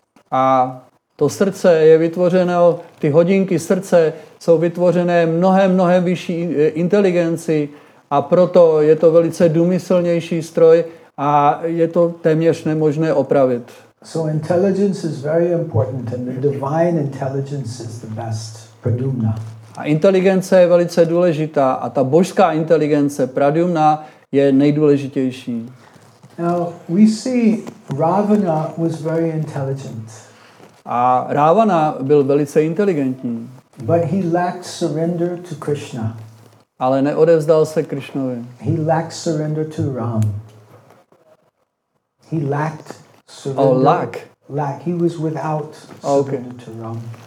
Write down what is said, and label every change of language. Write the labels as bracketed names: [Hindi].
[Czech] A to srdce je vytvořeno, ty hodinky srdce jsou vytvořené mnohem, mnohem vyšší inteligenci, a proto je to velice důmyslnější stroj a je to téměř nemožné opravit. [English] So intelligence is very important and the divine intelligence is the best, Pradyumna. [Czech] A inteligence je velice důležitá a ta božská inteligence, Pradyumna, je nejdůležitější. [English] Now we see Ravana was very intelligent. [Czech] A Ravana byl velice inteligentní. [English] But he lacked surrender to Krishna. [Czech] Ale neodevzdal se Krishnovi. [English] He lacked surrender to Ram. He lacked surrender. Oh, lack. Lack. He was without surrender to Ram.